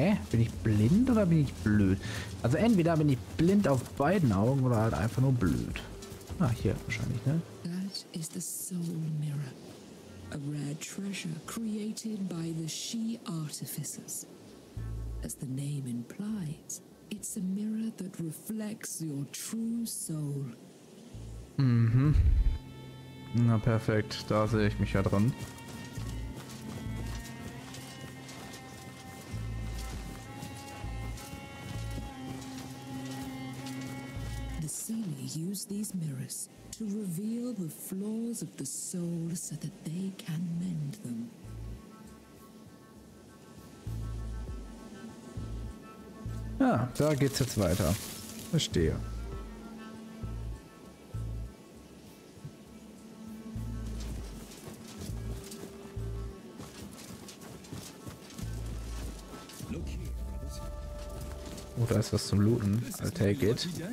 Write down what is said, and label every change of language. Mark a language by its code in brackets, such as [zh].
[de] Bin ich blind oder bin ich blöd? Also entweder bin ich blind auf beiden Augen oder halt einfach nur blöd. Ah, hier wahrscheinlich, ne? [en] That is the soul mirror. A rare treasure created by the She Artificers. As the name implies, it's a mirror that reflects your true soul. Mhm. [de] Na perfekt, da sehe ich mich ja dran. [en] Use these mirrors to reveal the flaws of the soul so that they can mend them. [de] Ja, da geht's jetzt weiter. Verstehe. Oh, da ist was zum Looten. [en] I'll take it.